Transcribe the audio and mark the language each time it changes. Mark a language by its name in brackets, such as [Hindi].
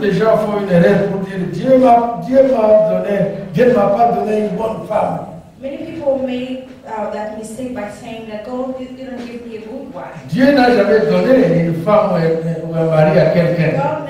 [French] de gens font une erreur pour dire Dieu m'a pas donné une bonne femme. [English] Many people make that mistake by saying that God didn't give me a good wife. [French] Dieu n'a jamais donné une femme ou un mari à quelqu'un.